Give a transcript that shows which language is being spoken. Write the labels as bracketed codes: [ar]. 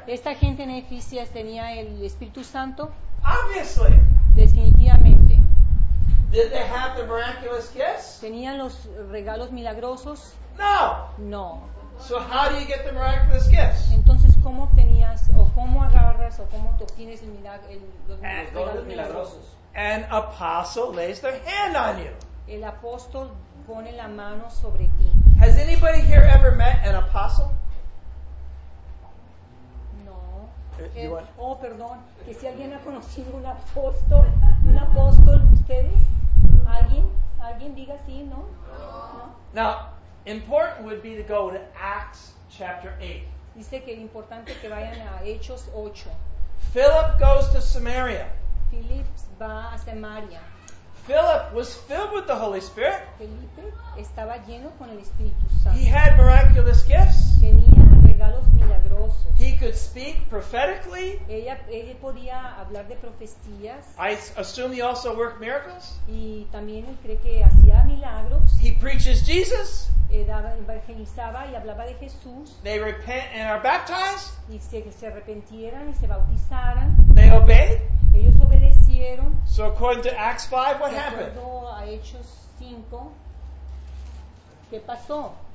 [es] Esta gente en Efesios tenía el Espíritu Santo. [en] Obviously. [es] Definitivamente. [en] Did they have the miraculous gifts? [es] Tenían los regalos milagrosos. [en] No. [es] No. [en] So how do you get the miraculous gifts? [es] Entonces, ¿cómo tenías o cómo agarras o cómo obtienes el milagro, los regalos milagrosos? [en] An apostle lays their hand on you. [es] El apóstol pone la mano sobre ti. [en] Has anybody here ever met an apostle? [es] No. [en] You [es] oh, perdón. ¿Que si alguien ha conocido un apóstol? ¿Un apóstol ustedes? ¿Alguien? ¿Alguien diga sí, no? No. [en] Now, important would be to go to Acts chapter 8. [es] Dice que es importante que vayan a Hechos 8. [en] Philip goes to Samaria. [es] Philip va a Samaria. [en] Philip was filled with the Holy Spirit. [es] Felipe estaba lleno con el Espíritu Santo. [en] He had miraculous gifts. [es] Tenía regalos milagrosos. [en] He could speak prophetically. [es] Ella podía hablar de profecías. [en] I assume he also worked miracles. [es] Y también él cree que hacía milagros. [en] He preaches Jesus. [es] Evangelizaba y hablaba de Jesús. [en] They repent and are baptized. [es] Y se arrepintieran y se bautizaran. [en] They obeyed. [es] Ellos obedecieron. [en] So according to Acts 5, what happened? [es] De acuerdo a Hechos 5, ¿qué pasó?